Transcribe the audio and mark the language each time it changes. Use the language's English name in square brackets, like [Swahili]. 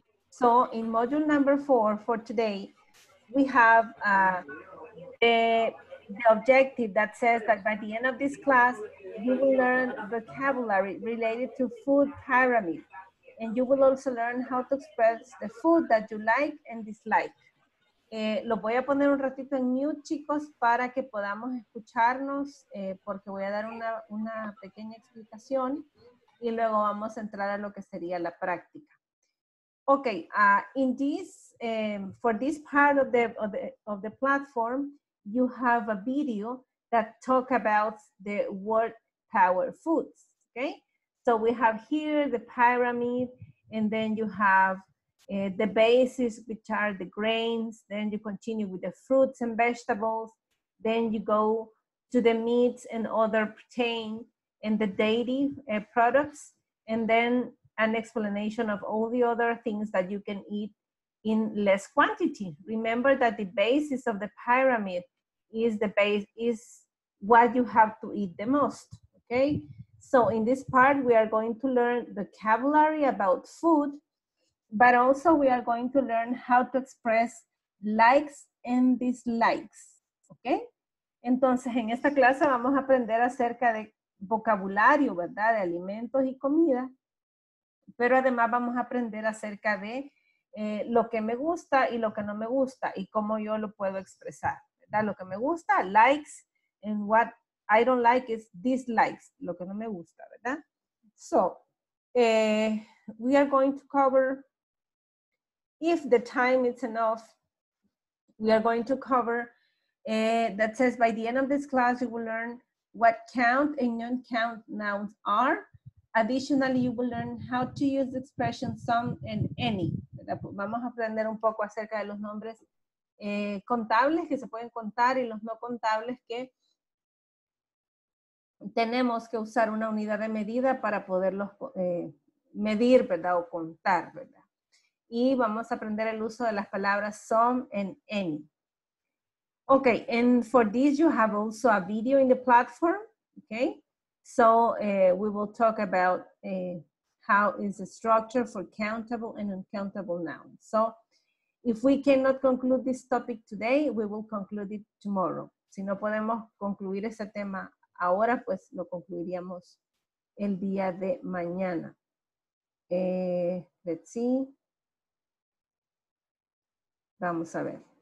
[English] So in module number 4 for today, we have the objective that says that by the end of this class, you will learn vocabulary related to food pyramid. And you will also learn how to express the food that you like and dislike. [Spanish] Lo voy a poner un ratito en mute, chicos, para que podamos escucharnos, porque voy a dar una pequeña explicación y luego vamos a entrar a lo que sería la práctica. [English] Okay, in this, for this part of the platform, you have a video that talk about the world power foods, okay? So we have here the pyramid, and then you have the bases, which are the grains. Then you continue with the fruits and vegetables. Then you go to the meats and other protein and the dairy products. And then an explanation of all the other things that you can eat in less quantity. Remember that the basis of the pyramid is the base, is what you have to eat the most, okay? So in this part, we are going to learn vocabulary about food, but also we are going to learn how to express likes and dislikes, okay? [Spanish] Entonces, en esta clase vamos a aprender acerca de vocabulario, ¿verdad? De alimentos y comida, pero además vamos a aprender acerca de lo que me gusta y lo que no me gusta y cómo yo lo puedo expresar, ¿verdad? Lo que me gusta, [English] likes, and what I don't like is dislikes, [Spanish] lo que no me gusta, ¿verdad? [English] So, we are going to cover, if the time is enough, we are going to cover, that says by the end of this class, you will learn what count and non-count nouns are. Additionally, you will learn how to use the expression some and any. [Spanish] Vamos a aprender un poco acerca de los nombres contables que se pueden contar y los no contables que tenemos que usar una unidad de medida para poderlos medir, ¿verdad? O contar, ¿verdad? Y vamos a aprender el uso de las palabras [English] some and any. Okay, and for this you have also a video in the platform, okay? So we will talk about how is the structure for countable and uncountable nouns. So if we cannot conclude this topic today, we will conclude it tomorrow. [Spanish] Si no podemos concluir ese tema ahora, pues lo concluiríamos el día de mañana. [English] Let's see. [Spanish] Vamos a ver.